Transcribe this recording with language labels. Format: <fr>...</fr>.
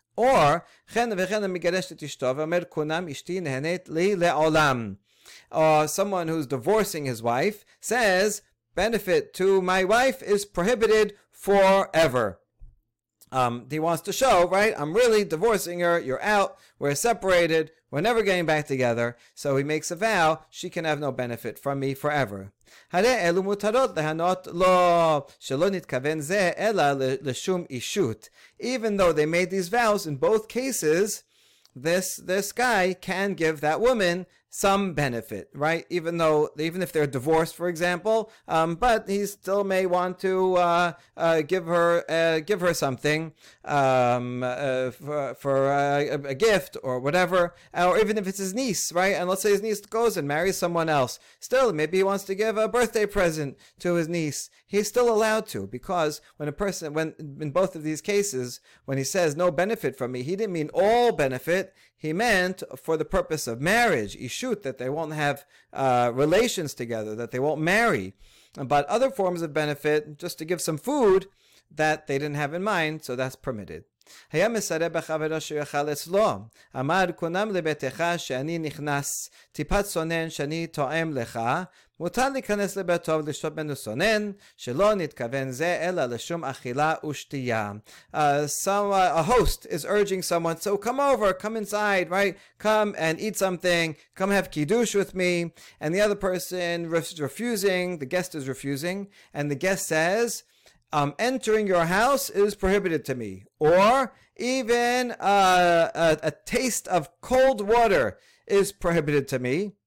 <en>Or, someone who's divorcing his wife says, benefit to my wife is prohibited forever. He wants to show, right, I'm really divorcing her, you're out, we're separated, we're never getting back together. So he makes a vow, she can have no benefit from me forever.</en> <he>הרי אלו מותרות להנות לו שלא נתכוון זה אלא לשום אישות.</he> <en>Even though they made these vows, in both cases, this guy can give that woman some benefit, right? Even if they're divorced, for example, but he still may want to give her something for a gift or whatever, or even if it's his niece, right? And let's say his niece goes and marries someone else. Still, maybe he wants to give a birthday present to his niece. He's still allowed to, because in both of these cases, when he says no benefit from me, he didn't mean all benefit. He meant for the purpose of marriage, ishut, that they won't have relations together, that they won't marry. But other forms of benefit, just to give some food that they didn't have in mind, so that's permitted.</en> <he>היה מסרב בחברו שהוא יאכל אצלו. אמר, כונם לביתך שאני נכנס טיפת סונן שאני תואם לך, מותר להיכנס לביתו ולשתות ממנו סונן, שלא נתכוון זה אלא לשום אכילה ושתייה.</he> <en>A host is urging someone, so come over, come inside, right? Come and eat something, come have kiddush with me. And the other person is refusing, and the guest says, entering your house is prohibited to me, or even a taste of cold water is prohibited to me.</en>